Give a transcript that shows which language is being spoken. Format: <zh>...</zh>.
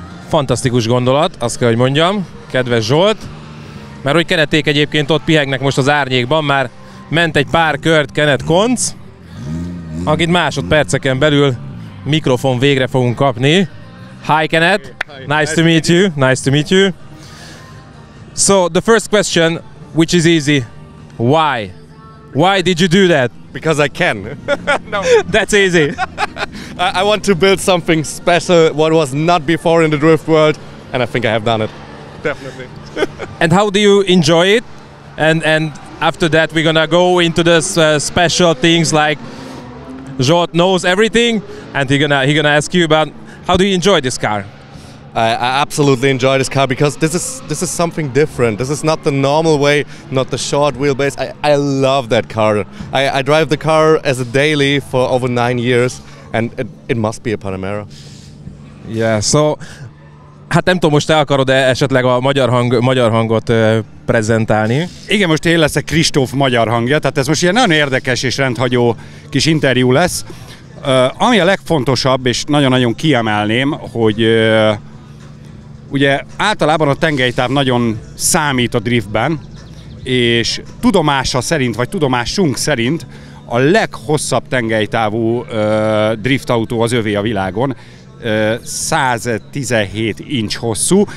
<hu>Fantasztikus gondolat, azt kell, hogy mondjam, kedves Zsolt. Mert hogy Keneték egyébként ott pihegnek most az árnyékban, már ment egy pár kört Kenet Konc, akit másodperceken belül mikrofon végre fogunk kapni.</hu> <en>Hi, Kenet. Hi. Nice, nice to meet you. So, the first question, which is easy. Why? Why did you do that? Because I can. No. That's easy. I want to build something special, what was not before in the drift world, and I think I have done it. Definitely. And how do you enjoy it? And after that, we're gonna go into this special things like Zsolt knows everything, and he gonna ask you about how do you enjoy this car? I absolutely enjoy this car because this is something different. This is not the normal way, not the short wheelbase. I love that car. I drive the car as a daily for over 9 years, and it must be a Panamera. Yeah.</en> <hu>So, hát nem tudom, most el akarod esetleg a magyar hangot prezentálni? Igen, most én leszek Kristóf magyar hangja. Tehát ez most ilyen nagyon érdekes és rendhagyó kis interjú lesz. Ami a legfontosabb és nagyon-nagyon kiemelném, hogy ugye általában a tengelytáv nagyon számít a driftben, és tudomása szerint, vagy tudomásunk szerint a leghosszabb tengelytávú driftautó az övé a világon, 117 inch hosszú.</hu>